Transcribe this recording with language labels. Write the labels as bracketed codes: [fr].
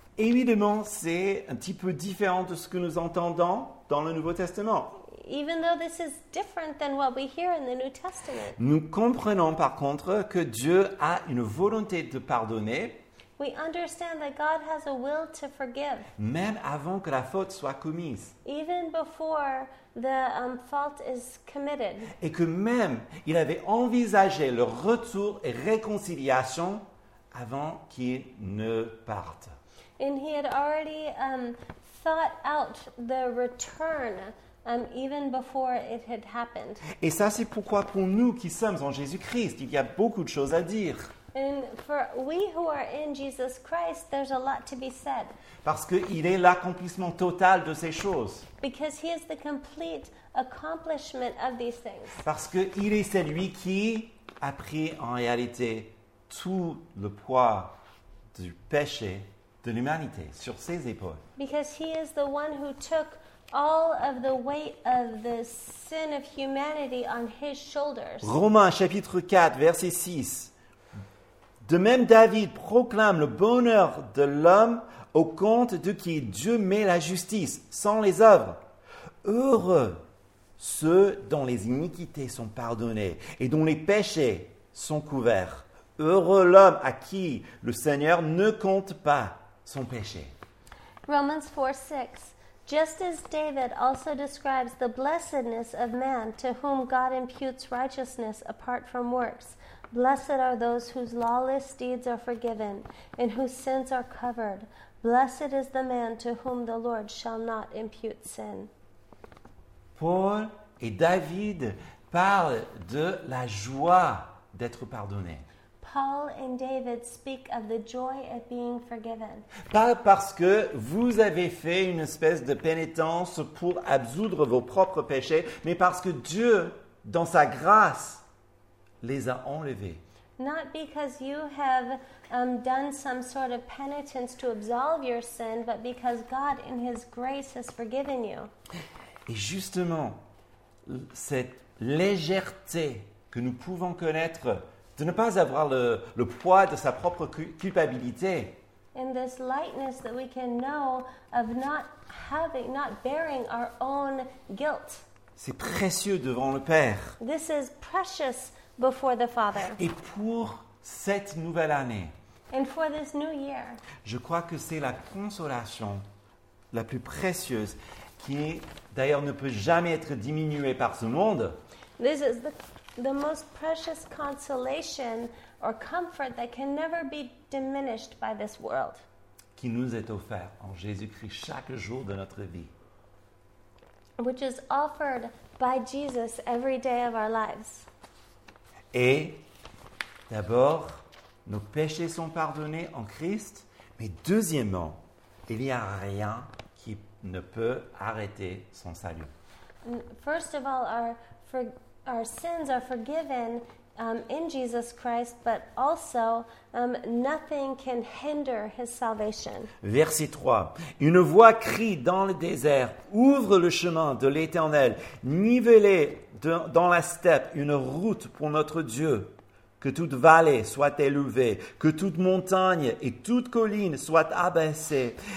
[fr] Évidemment, c'est un petit peu différent de ce que nous entendons dans le Nouveau Testament. [en] even though this is different than what we hear in the New Testament. [fr] Nous comprenons par contre que Dieu a une volonté de pardonner. [en] We understand that God has a will to forgive. [fr] Même avant que la faute soit commise. [en] Even before the fault is committed. [fr] Et que même il avait envisagé le retour et réconciliation avant qu'il ne parte. [en] And he had already thought out the return even before it had happened. [fr] Et ça, c'est pourquoi pour nous qui sommes en Jésus-Christ, il y a beaucoup de choses à dire. [en] And for we who are in Jesus Christ, there's a lot to be said. [fr] Parce qu'il est l'accomplissement total de ces choses. [en] Because he is the complete accomplishment of these things. [fr] Parce qu'il est celui qui a pris en réalité tout le poids du péché de l'humanité sur ses épaules. [en] Because he is the one who took all of the weight of the sin of humanity on his shoulders. [fr] Romains chapitre 4 verset 6. De même, David proclame le bonheur de l'homme au compte de qui Dieu met la justice sans les œuvres. Heureux ceux dont les iniquités sont pardonnées et dont les péchés sont couverts. Heureux l'homme à qui le Seigneur ne compte pas son péché. [en] Romans 4, 6. Just as David also describes the blessedness of man to whom God imputes righteousness apart from works. Blessed are those whose lawless deeds are forgiven and whose sins are covered. Blessed is the man to whom the Lord shall not impute sin. [fr] Paul et David parlent de la joie d'être pardonné. [en] Paul and David speak of the joy of being forgiven. [fr] Pas parce que vous avez fait une espèce de pénitence pour absoudre vos propres péchés, mais parce que Dieu, dans sa grâce, les a enlevés. [en] Not because you have done some sort of penitence to absolve your sin, but because God in his grace has forgiven you. [fr] Et justement, cette légèreté que nous pouvons connaître de ne pas avoir le poids de sa propre culpabilité. [en] And this lightness that we can know of not bearing our own guilt. [fr] C'est précieux devant le Père. [en] This is precious before the Father. [fr] Et pour cette nouvelle année, [en] and for this new year, [fr] je crois que c'est la consolation la plus précieuse qui, d'ailleurs, ne peut jamais être diminuée par ce monde. [en] This is the most precious consolation or comfort that can never be diminished by this world. [fr] Qui nous est offert en Jésus-Christ chaque jour de notre vie. [en] Which is offered by Jesus every day of our lives. [fr] Et d'abord, nos péchés sont pardonnés en Christ, mais deuxièmement, il n'y a rien qui ne peut arrêter son salut. [en] First of all, our sins are forgiven in Jesus Christ, but also nothing can hinder his salvation. [fr] Verset 3. Une voix crie dans le désert, ouvre le chemin de l'Éternel, nivelez dans la steppe une route pour notre Dieu. Que toute vallée soit élevée, que toute montagne et toute colline soit abaissée.